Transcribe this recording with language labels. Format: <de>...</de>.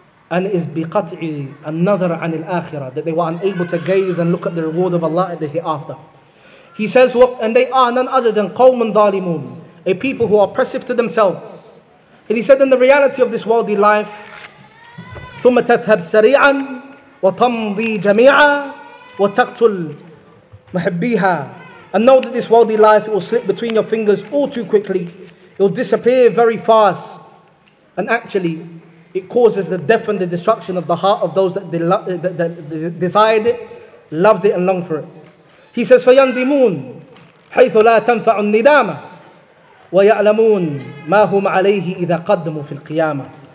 <en>And it is</en> <ar>بِقَطْعِ النَّذَرَ عَنِ الْآخِرَةِ.</ar> <en>That they were unable to gaze and look at the reward of Allah in the hereafter. He says, and they are none other than</en> <ar>قَوْمٌ ظَالِمُونَ.</ar> <en>A people who are oppressive to themselves. And he said, in the reality of this worldly life,</en> <ar>ثم تذهب سريعا وتمضي جميعا وتقتل محبيها.</ar> <en>And know that this worldly life, it will slip between your fingers all too quickly. It will disappear very fast. And actually, it causes the death and the destruction of the heart of those that desired it, loved it and longed for it. He says,</en> <ar>فَيَنْدِمُونَ حَيْثُ لَا تَنْفَعُ النِّدَامَةِ وَيَعْلَمُونَ مَا هُمْ عَلَيْهِ إِذَا قَدَّمُوا فِي الْقِيَامَةِ.</ar>